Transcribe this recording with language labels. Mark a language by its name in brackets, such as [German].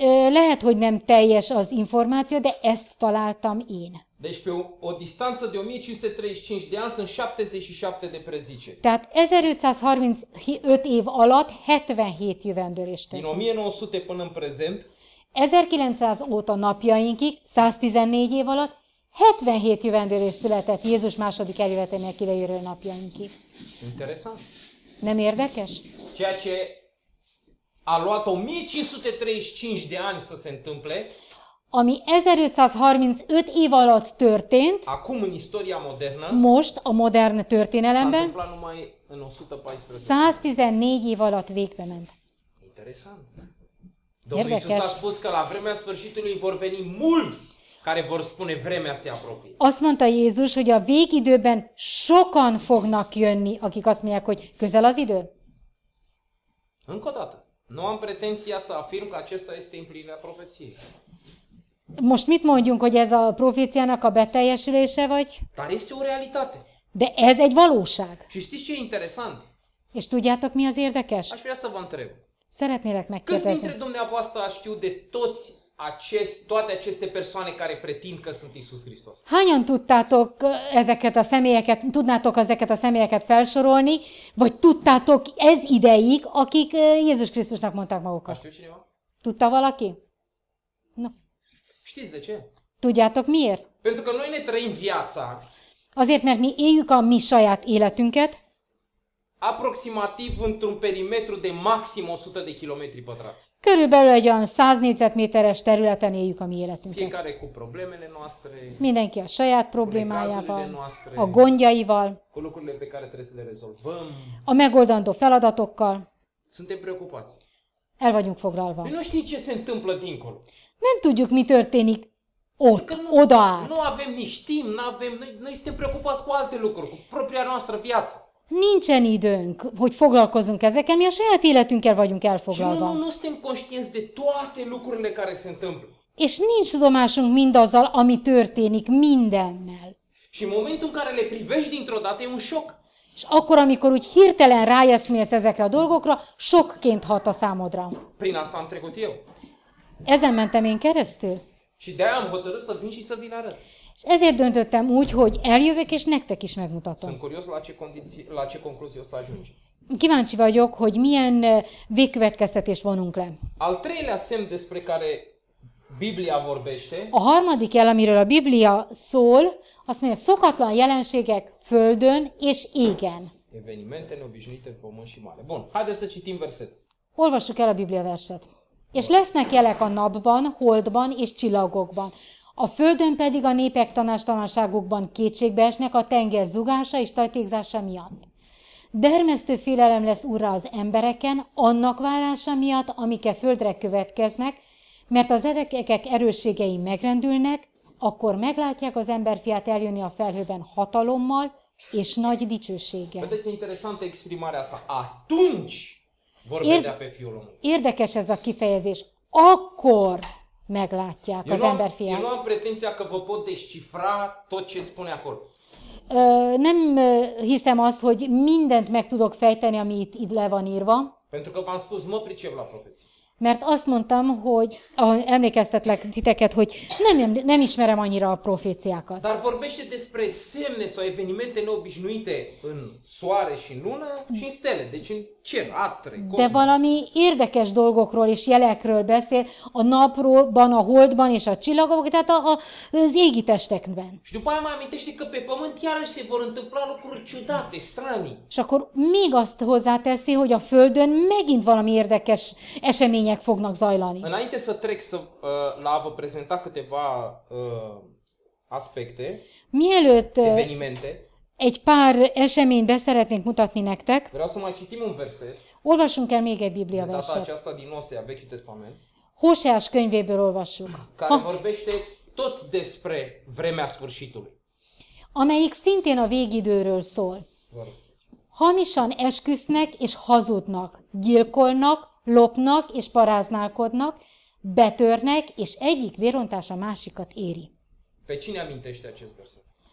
[Hungarian] Lehet, hogy nem teljes az információ, de ezt találtam én. [Romanian] Deci pe o distanță de 1535 de ani sunt 77 de prezice. [Hungarian] Tehát 1535 év alatt 77 jövendőlés [Romanian] történt. Din 1900 până în prezent, [Hungarian] 1900 óta napjainkig, 114 év alatt, 77 jövendőlés született Jézus második eljövetelének idejéről napjainkig. [Romanian] Interesant. [Hungarian] Nem érdekes? [Romanian] Ceea ce a luat 1535 de ani să se întâmple, [Hungarian] ami 1535 év alatt történt, [Romanian] acum, în istoria modernă, [Hungarian] most a modern történelemben, [Romanian] s-a întâmplat numai în 114. [Hungarian] 114 év alatt végbe ment. [Romanian] Interesant. Domnul Iisus a spus că la vremea sfârșitului vor veni mulți care vor spune vremea se apropie. [Hungarian] Azt mondta Jézus, hogy a végidőben sokan fognak jönni, akik azt mondják, hogy közel az idő. [Romanian] Încă o dată. Nu am pretenția să afirm că acesta este împlinirea profeției. [Hungarian] Most mit mondjunk, hogy ez a proféciának a beteljesülése vagy? [Romanian] Dar este o realitate. [Hungarian] De ez egy valóság. [Romanian] Și știți ce e interesant? [Hungarian] És tudjátok, mi az érdekes? [Romanian] Aș vrea să vă întreb. [Hungarian] Szeretnélek megkérdezni. [Romanian] Câți dintre dumneavoastră știu de toți toate aceste persoane care pretind că sunt Iisus Hristos? [Hungarian] Hányan tudtátok ezeket a személyeket, tudnátok ezeket a személyeket felsorolni, vagy tudtátok ez ideig, akik Jézus Krisztusnak mondták magukat? [Romanian] Știu cineva? [Hungarian] Tudta valaki? No. [Romanian] Știți de ce? [Hungarian] Tudjátok miért? [Romanian] Pentru că noi ne trăim viața. [Hungarian] Azért, mert mi éljük a mi saját életünket. [Romanian] Aproximativ într-un perimetru de maxim 100 de kilometri pătrați. [Hungarian] Körülbelül egy olyan 100 négyzetméteres területen éljük a mi életünket. [Romanian] Fiecare cu problemele noastre. [Hungarian] Mindenki a saját problémájával, [Romanian] noastre, [Hungarian] a gondjaival, [Romanian] cu lucrurile pe care trebuie să le rezolvăm, [Hungarian] a megoldandó feladatokkal. [Romanian] Suntem preocupați. [Hungarian] El vagyunk foglalva. [Romanian] Nu știm ce se întâmplă dincolo. [Hungarian] Nem tudjuk, mi történik ott, [Romanian] nu, [Hungarian] oda át. [Romanian] Nu avem nici timp, noi suntem preocupați cu alte lucruri, cu propria noastră viață. [Hungarian] Nincsen időnk, hogy foglalkozunk ezekkel, mi a saját életünkkel vagyunk elfoglalva. [Romanian] Nu suntem conștienți de toate lucrurile care se întâmplă. [Hungarian] És nincs tudomásunk mindazzal, ami történik, mindennel. [Romanian] Și momentul în care le privești dintr-o dată e un șoc. [Hungarian] És akkor, amikor úgy hirtelen rájeszmélsz ezekre a dolgokra, sokként hat a számodra. [Romanian] Prin asta am trecut eu. [Hungarian] Ezen mentem én keresztül. [Romanian] Și de-aia am hotărât să vin și să vin arăt. [Hungarian] És ezért döntöttem úgy, hogy eljövök és nektek is megmutatom. [Romanian] Sunt curios la ce concluzie o să ajungeți. [Hungarian] Kíváncsi vagyok, hogy milyen végkövetkeztetést vonunk le. [Romanian] Al treilea semn despre care Biblia vorbește. [Hungarian] A harmadik jel, amiről a Biblia szól, azt mondja, szokatlan jelenségek földön és égen. [Romanian] Evenimente neobișnuite, pământ și mare. Bun, haideți să citim verset. [Hungarian] Olvassuk el a Biblia verset. És lesznek jelek a napban, holdban és csillagokban. A földön pedig a népek tanástalanságukban kétségbe esnek a tenger zugása és tajtékzása miatt. Dermesztő félelem lesz urra az embereken, annak várása miatt, amike földre következnek, mert az evekek erősségei megrendülnek, akkor meglátják az emberfiát eljönni a felhőben hatalommal és nagy dicsőséggel. [Romanian] Vedeți interesantă exprimarea asta. Atunci vor vedea pe fiul omului. [Hungarian] Érdekes ez a kifejezés. Akkor meglátják [Romanian] eu [Hungarian] az emberfiát. [Romanian] Nu am pretenția că vă pot descifra tot ce spune acolo. [Hungarian] Nem hiszem azt, hogy mindent meg tudok fejteni, ami itt le van írva. [Romanian] Pentru că v-am spus, mă pricep la profeție. [Hungarian] Mert azt mondtam, hogy emlékeztetlek titeket, hogy nem ismerem annyira a proféciákat. [Romanian] Dar vorbește despre semne sau evenimente neobișnuite în soare și în lună și în stele, deci în cer, astre, cosmos. [Hungarian] De valami érdekes dolgokról és jelekről beszél, a napban, a holdban és a csillagokban, tehát az égi testekben. [Romanian] Și după aia mai amintește că pe pământ iarăși se vor întâmpla lucruri ciudate, strani. [Hungarian] És akkor még azt hozzáteszi, hogy a földön megint valami érdekes esemény fognak zajlani. [Romanian] Înainte să trec să la vă prezenta câteva aspecte, [Hungarian] mielőtt [Romanian] evenimente, [Hungarian] egy pár eseményt beszeretnénk mutatni nektek, [Romanian] vreau să mai citim un verset, [Hungarian] olvassunk el még egy Biblia [Romanian] de data [Hungarian] verset. [Romanian] Aceasta din Osea, Vechiul Testament, [Hungarian] Hoseas könyvéből olvassuk, [Romanian] care vorbește tot despre vremea sfârșitului, [Hungarian] amelyik szintén a végidőről szól. Hamisan esküsznek és hazudnak, gyilkolnak, lopnak és paráználkodnak, betörnek, és egyik vérontás a másikat éri. [Romanian] Pe cine amintește acest verset?